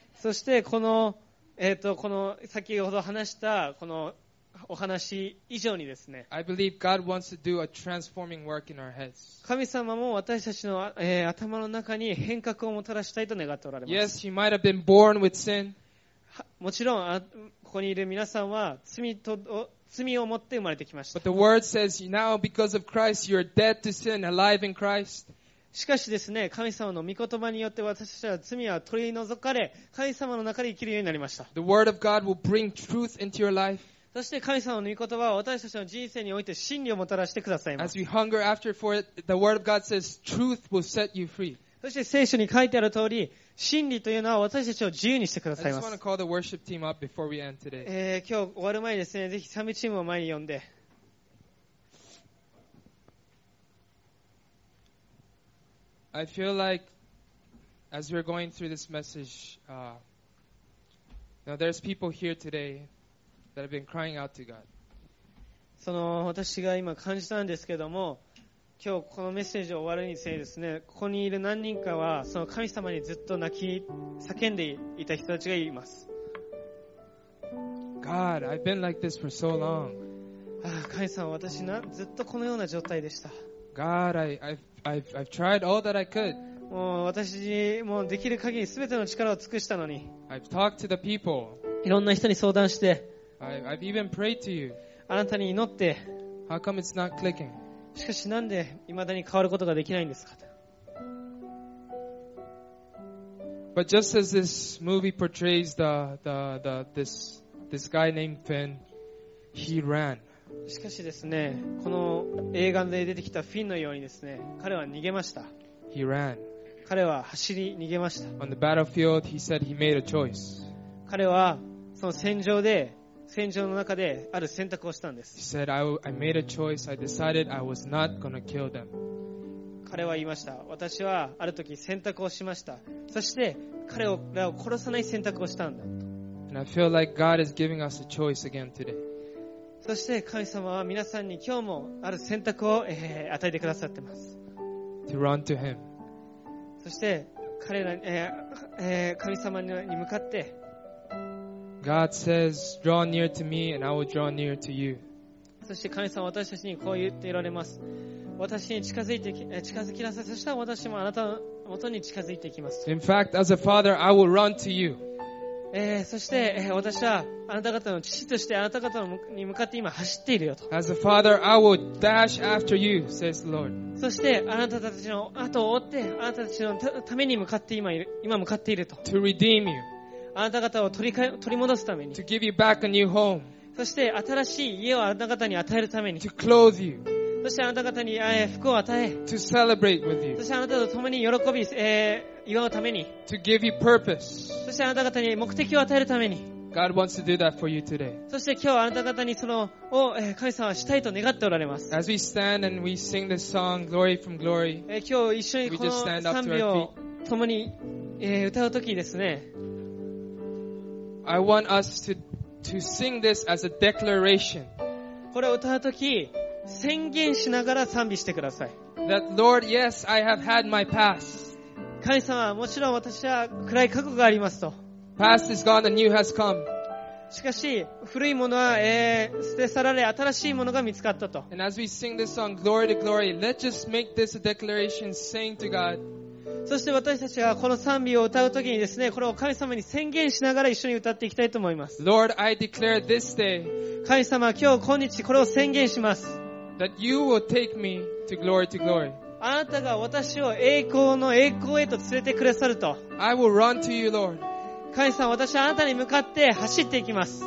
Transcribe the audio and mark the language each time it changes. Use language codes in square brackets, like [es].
[ja] そしてこの、この先ほど話したこのお話以上にですね、 [en] I believe God wants to do a transforming work in our heads. [ja] 神様も私たちの、頭の中に変革をもたらしたいと願っておられます。 [en] Yes, you might have been born with sin. [ja] もちろんここにいる皆さんは罪を持って生まれてきました。 [en] But the word says, now because of Christ, you're dead to sin, alive in Christ. [ja] しかしですね、神様の御言葉によって私たちは罪は取り除かれ、神様の中で生きるようになりました。 [en] The word of God will bring truth into your life. [ja] そして神様の御言葉は私たちの人生において真理をもたらしてくださいます。 [en] As we hunger after for it, the word of God says truth will set you free. [ja] そして聖書に書いてある通り、真理というのは私たちを自由にしてくださいます。 [en] I just want to call the worship team up before we end today. [ja] 今日終わる前にですね、ぜひ賛美チームを前に呼んで、 [en] I feel like as we're going through this message, now there's people here today that have been crying out to God. [ja] その私が今感じたんですけども、今日このメッセージを終わるにつれですね、ここにいる何人かはその神様にずっと泣き叫んでいた人たちがいます。 [en] God, I've been like this for so long. [ja] 神様、私なずっとこのような状態でした。 [en] God, I've tried all that I could. [ja] もう私もできる限り全ての力を尽くしたのに。 [en] I've talked to the people. [ja] いろんな人に相談して。 [en] I've even prayed to you. [ja] あなたに祈って。 [en] How come it's not clicking? [ja] しかしなんで未だに変わることができないんですかと。 [en] But just as this movie portrays this guy named Finn, he ran. [ja] しかしですね、この映画で出てきたフィンのようにですね、彼は逃げました。 [en] He ran. [ja] 彼は走り逃げました。 [en] On the battlefield, he said he made a choice. [ja] 彼はその戦場の中である選択をしたんです。 [en] He said, I made a choice. I decided I was not gonna kill them. [ja] 彼は言いました。私はある時選択をしました。そして彼らを殺さない選択をしたんだ。 [en] And I feel like God is giving us a choice again today. [ja] そして神様は皆さんに今日もある選択を与えてくださってます。 [en] To run to him. [ja] そして彼ら、神様に向かって。 [en] God says, "Draw near to me, and I will draw near to you." [ja] そして神様は私たちにこう言っておられます。私に近づきなさい。そしたら私もあなたの元に近づいていきます。 [en] In fact, as a father, I will run to you. [ja] そして、私はあなた方の父としてあなた方に向かって今走っているよと。 [en] As a father, I will dash after you, says the Lord. [ja] そして、あなたたちの後を追ってあなたたちのために向かって今向かっていると。 [en] To redeem you. [ja] あなた方を取り戻すために。 [en] To give you back a new home. [ja] そして新しい家をあなた方に与えるために [en] to clothe you. [ja] そしてあなた方に服を与え [en] to celebrate with you. [ja] そしてあなたと共に喜び、祝うために [en] to give you purpose. [ja] そしてあなた方に目的を与えるために [en] God wants to do that for you today. [ja] そして今日あなた方にそのを神様はしたいと願っておられます。 [en] As we stand and we sing this song, Glory from Glory, [ja] 今日一緒にこの賛美を共に歌うときですね [en] I want us to sing this as a declaration. [ja] これを歌うとき、宣言しながら賛美してください。 [en] That Lord, yes, I have had my past. [ja] 神様、もちろん私は暗い過去がありますと。 [en] Past is gone, the new has come. [ja] しかし、古いものは、捨て去られ、新しいものが見つかったと。 [en] And as we sing this song, Glory to Glory, let's just make this a declaration, saying to God. [ja] そして私たちがこの賛美を歌うときにですね、これを神様に宣言しながら一緒に歌っていきたいと思います。 [en] Lord, I declare this day, [ja] 神様、今日今日これを宣言します。 [en] That you will take me to glory to glory. [ja] あなたが私を栄光の栄光へと連れてくださると。 [en] I will run to you, Lord. [ja] 神様、私はあなたに向かって走っていきます。